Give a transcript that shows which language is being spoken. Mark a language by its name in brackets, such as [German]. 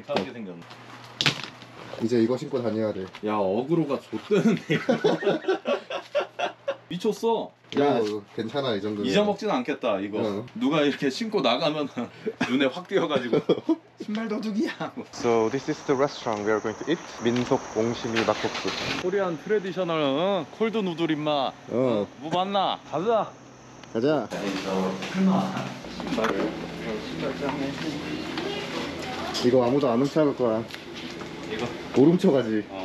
[Korean] 거. 이상하게 생겼네. 이제 이거 신고 다녀야 돼. 야 어그로가 좆되는데 미쳤어. 야 괜찮아 이 정도. 잊어먹진 않겠다 이거. 누가 이렇게 신고 나가면 눈에 확 띄어가지고 신발 도둑이야. [English] So this is the restaurant we are going to eat. [Korean] 민속 옹심이 막국수. [English] 코리안 트레디셔널 콜드 누들 임마. [Korean] 뭐 봤나? 가자. 가자. 여기서 큰마 신발을 신발 짱해. 이거 아무도 안 훔쳐갈 거야. 이거? 오름초가지.